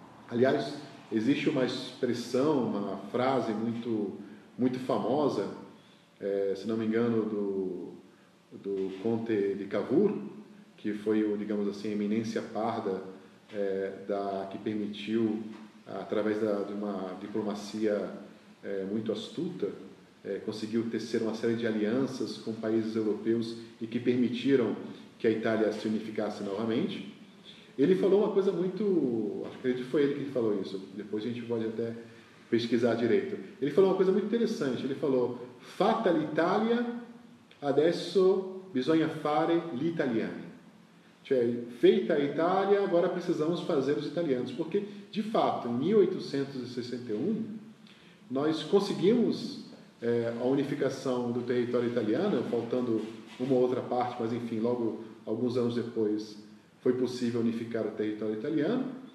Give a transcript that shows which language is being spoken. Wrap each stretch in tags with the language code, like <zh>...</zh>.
<pt>Aliás, existe uma expressão, uma frase muito, muito famosa, se não me engano, do Conte de Cavour, que foi, digamos assim, a eminência parda que permitiu, através de uma diplomacia muito astuta, conseguiu tecer uma série de alianças com países europeus e que permitiram que a Itália se unificasse novamente. Ele falou uma coisa muito... acredito que foi ele que falou isso. Depois a gente pode até pesquisar direito. Ele falou uma coisa muito interessante. Ele falou:</pt> <it>fatta l'Italia, adesso bisogna fare gli italiani. Cioè,</it> <pt>feita a Itália, agora precisamos fazer os italianos. Porque, de fato, em 1861, nós conseguimos a unificação do território italiano, faltando uma outra parte, mas enfim, logo alguns anos depois foi possível unificar o território italiano.</pt>